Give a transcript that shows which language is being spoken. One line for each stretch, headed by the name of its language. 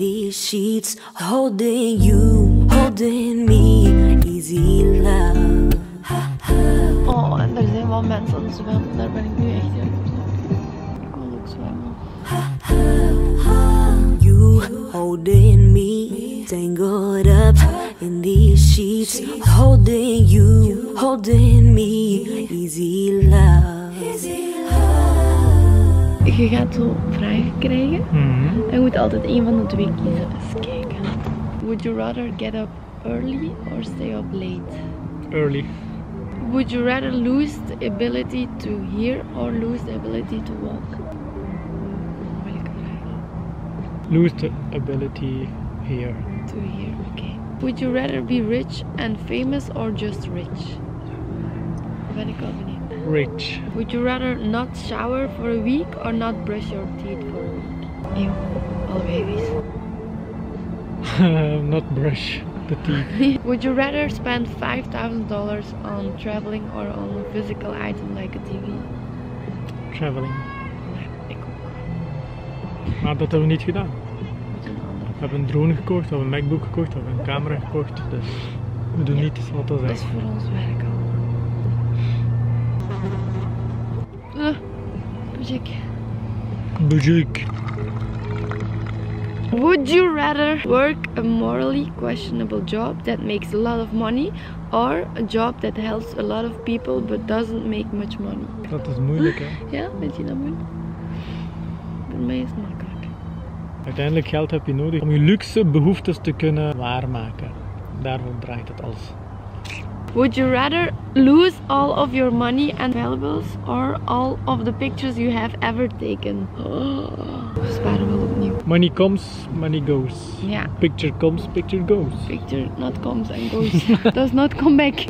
English: Sheets holding you, holding me, easy love.
Dutch: Oh, en er zijn wel mensen aan het zwemmen, daar ben ik nu echt in. Ik wil ook zwemmen.
English: You holding me, tangled up in these sheets, holding you, holding me, easy love.
Dutch: Je gaat zo vragen krijgen. Je moet altijd een van de twee kiezen. Eens kijken.
English: Would you rather get up early or stay up late? Early. Would you rather lose the ability to hear or lose the ability to walk?
Dutch: Welke vraag?
English: Lose the ability hear. To hear, okay. Would you rather be rich and famous or just rich?
Dutch: Ben ik al benieuwd.
English: Rich. Would you rather not shower for a week or not brush your teeth for a week? Ew, all babies. Not brush the teeth. Would you rather spend $5,000 on traveling or on a physical item like a TV? Traveling.
Dutch: Ik ook. Maar dat hebben we niet gedaan. We hebben een drone gekocht, we hebben een MacBook gekocht, we hebben een camera gekocht. Dus we doen niet wat dat is. Dat is voor ons werk al. Bujik.
English: Would you rather work a morally questionable job that makes a lot of money or a job that helps a lot of people but doesn't make much money?
Dutch: Dat is moeilijk, hè? Ja, vind je dat moeilijk? Voor mij is het makkelijk. Uiteindelijk geld heb je nodig om je luxe behoeftes te kunnen waarmaken. Daarom draait het alles. Would you rather lose all of your money and valuables or all of the pictures you have ever taken? Oh, sparen wel opnieuw.
English: Money comes, money goes.
Dutch: Ja.
English: Picture comes, picture goes. Picture not comes and goes. Does not come back.